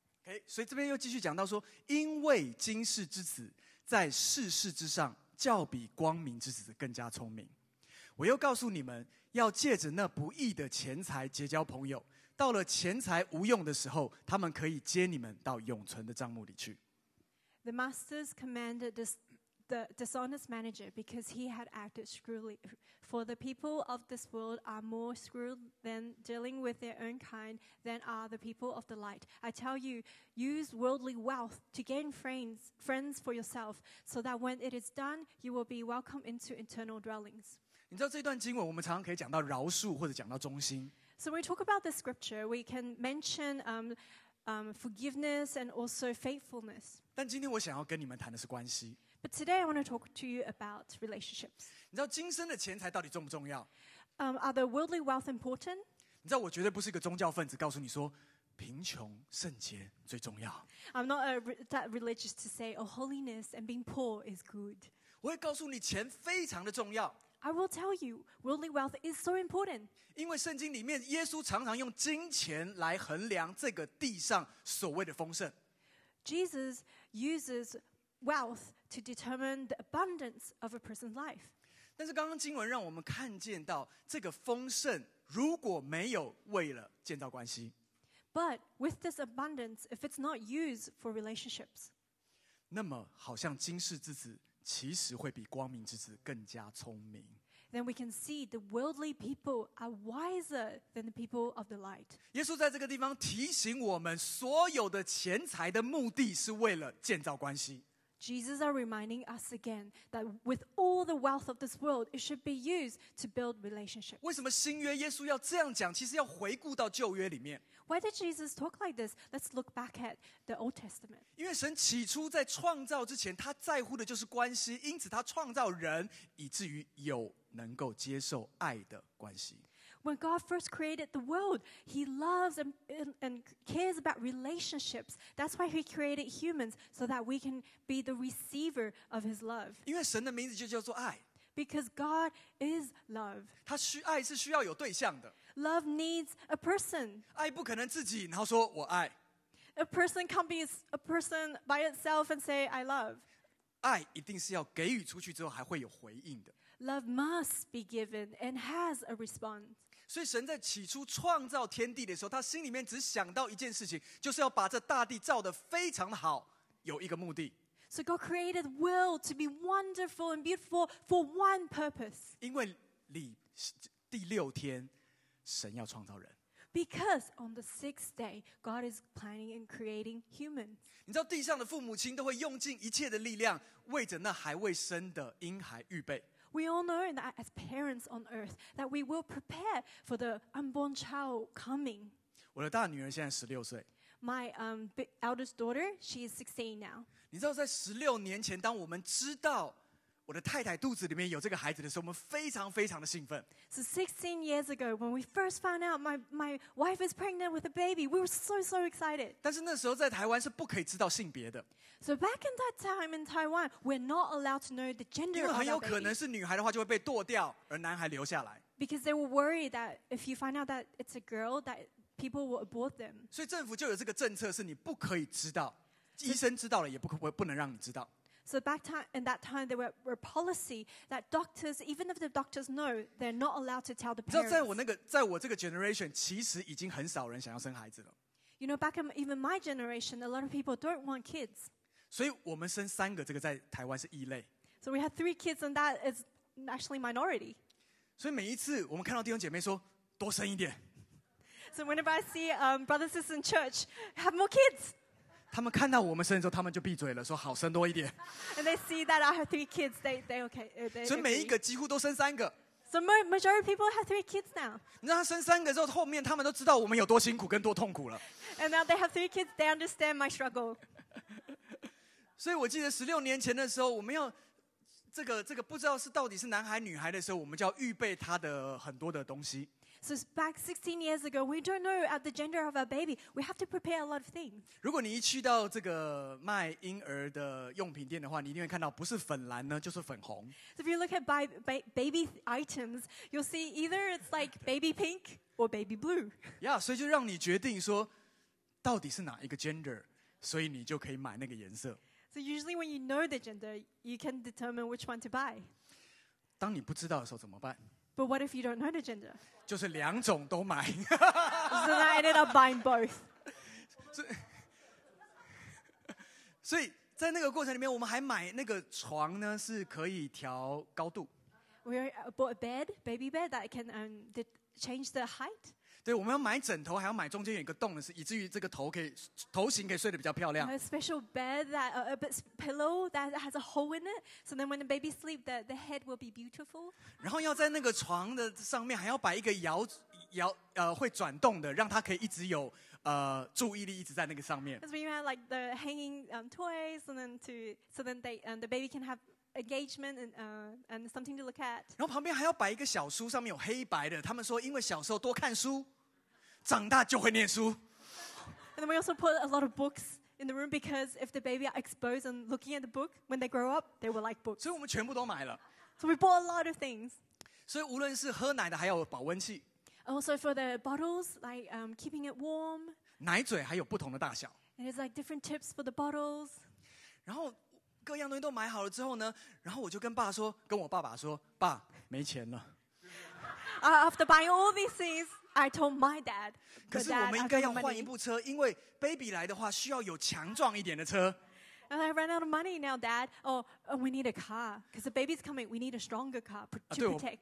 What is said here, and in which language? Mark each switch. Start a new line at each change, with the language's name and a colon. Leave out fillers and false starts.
Chinese: OK， 所以这边又继续讲到说，因为今世之子在世事之上，较比光明之子更加聪明。我又告诉你们，要借着那不义的钱财结交朋友。到了钱财无用的时候，他们可以接你们到永存的帐幕里去。
English: The masters commanded the dishonest manager because he had acted shrewdly. For the people of this world are more shrewd than dealing with their own kind than are the people of the light. I tell you, use worldly wealth to gain friends for yourself, so that when it is done, you will be welcomed into eternal dwellings.
Chinese: 你知道这段经文，我们常常可以讲到饶恕或者讲到忠心。
English: So when we talk about this scripture, we can mention forgiveness and also faithfulness.
Chinese: 但今天我想要跟你们谈的是关系。
English: But today I want to talk to you about relationships.
Chinese: 你知道今生的钱财到底重不重要？
English: Are the worldly wealth important?
Chinese: 你知道我绝对不是一个宗教分子，告诉你说贫穷圣洁最重要。
English: I'm not that religious to say, oh, holiness and being poor is good.
Chinese: 我会告诉你钱非常的重要。
English: I will tell you, worldly wealth is so important.
Chinese: 因为圣经里面，耶稣常常用金钱来衡量这个地上所谓的丰盛。
English: Jesus uses wealth to determine the abundance of a person's life.
Chinese: 但是刚刚经文让我们看见到，这个丰盛如果没有为了建造关系。
English: But with this abundance, if it's not used for relationships,
Chinese: 那么好像今世之子。其实会比光明之子更加聪明。
English: Then we can see the worldly people are wiser than the people of the light.
Chinese: 耶稣在这个地方提醒我们，所有的钱财的目的是为了建造关系。
English: Jesus is reminding us again that with all the wealth of this world, it should be used to build relationships.
Chinese: 为什么新约耶稣要这样讲？其实要回顾到旧约里面。
English: Why did Jesus talk like this? Let's look back at the Old Testament.
Chinese: 因为神起初在创造之前，他在乎的就是关系，因此他创造人，以至于有能够接受爱的关系。
English: When God first created the world, He loves and cares about relationships. That's why He created humans so that we can be the receiver of His love.
Chinese: 因为神的名字就叫做爱。
English: Because God is love.
Chinese: 他需爱是需要有对象的。
English: Love needs a person.
Chinese: 爱不可能自己然后说我爱。
English: A person can't be a person by itself and say I love.
Chinese: 爱一定是要给予出去之后还会有回应的。
English: Love must be given and has a response.
Chinese: 所以神在起初创造天地的时候，他心里面只想到一件事情，就是要把这大地造得非常好，有一个目的。
English: So God created the world to be wonderful and beautiful for one purpose.
Chinese: 因为第六天神要创造人。
English: Because on the sixth day, God is planning and creating humans.
Chinese: 你知道地上的父母亲都会用尽一切的力量，为着那还未生的婴孩预备。
English: We all know that as parents on earth, that we will prepare for the unborn child coming.
Chinese: 我的大女儿现在16岁。
English: My eldest daughter, she is 16 now.
Chinese: 你知道在16年前，当我们知道我的太太肚子里面有这个孩子的时候，我们非常非常的兴奋。
English: So 16 years ago, when we first found out my wife is pregnant with a baby, we were so excited.
Chinese: 但是那时候在台湾是不可以知道性别的。
English: So back in that time in Taiwan, we're not allowed to know the gender of our baby.
Chinese: 因为很有可能是女孩的话就会被堕掉，而男孩留下来。
English: Because they were worried that if you find out that it's a girl, that people will abort them.
Chinese: 所以政府就有这个政策，是你不可以知道，医生知道了也不能让你知道。
English: So back time, in that time, there were policy that doctors, even if the doctors know, they're not allowed to tell the parents.
Chinese: 你知道在我那个，在我这个 generation, 其实已经很少人想要生孩子了。
English: You know, back in even my generation, a lot of people don't want kids.
Chinese: 所以我们生三个，这个在台湾是异类。
English: So we had three kids, and that is actually minority.
Chinese: 所以每一次我们看到弟兄姐妹说多生一点。
English: So whenever I see brothers and sisters in church, have more kids.
Chinese: 他们看到我们生的时候，他们就闭嘴了，说好生多一点。
English: And they see that I have three kids, they okay. They
Chinese: 所以每一个几乎都生三个。
English: So majority people have three kids now.
Chinese: 你知道他生三个之后，后面他们都知道我们有多辛苦跟多痛苦了。
English: And now they have three kids, they understand my struggle.
Chinese: 所以我记得16年前的时候，我们要这个不知道是到底是男孩女孩的时候，我们就要预备他的很多的东西。
English: So back 16 years ago, we don't know at the gender of our baby. We have to prepare a lot of things.
Chinese: 如果你一去到这个卖婴儿的用品店的话，你一定会看到不是粉蓝呢，就是粉红。
English: So if you look at baby items, you'll see either it's like baby pink or baby blue.
Chinese: Yeah, 所以就让你决定说到底是哪一个 gender, 所以你就可以买那个颜色。
English: So usually when you know the gender, you can determine which one to buy.
Chinese: 当你不知道的时候怎么办？
English: But what if you don't know the gender?
Chinese: 就是两种都买。
English: So I ended up buying both.
Chinese: 所以在那个过程里面，我们还买那个床呢，是可以调高度。
English: We bought a bed, baby bed that can change the height.
Chinese: 对，我们要买枕头，还要买中间有一个洞的，是以至于这个头型可以睡得比较漂亮。
English: A special bed a pillow that has a hole in it, so then when the baby sleeps, the head will be beautiful.
Chinese: 然后要在那个床的上面还要摆一个会转动的，让它可以一直有注意力一直在那个上面。
English: So we have like the hanging toys, and then the baby can have engagement and something to look at.
Chinese: 然后旁边还要摆一个小书，上面有黑白的。他们说，因为小时候多看书，长大就会念书。
English: And then we also put a lot of books in the room because if the baby are exposed and looking at the book, when they grow up, they will like books.
Chinese: 所以我们全部都买了。
English: So we bought a lot of things.
Chinese: 所以无论是喝奶的，还有保温器。
English: Also for the bottles, like keeping it warm.
Chinese: 奶嘴还有不同的大小。
English: And it's like different tips for the bottles.
Chinese: 然后各样东西都买好了之后呢，然后我就跟爸说，跟我爸爸说，爸，没钱了。
English: After buying all these things, I told my dad.
Chinese: 可是我们应该要换一部车，因为 baby 来的话需要有强壮一点的车。
English: And I ran out of money now, Dad. Oh, we need a car because the baby's coming. We need a stronger car to protect.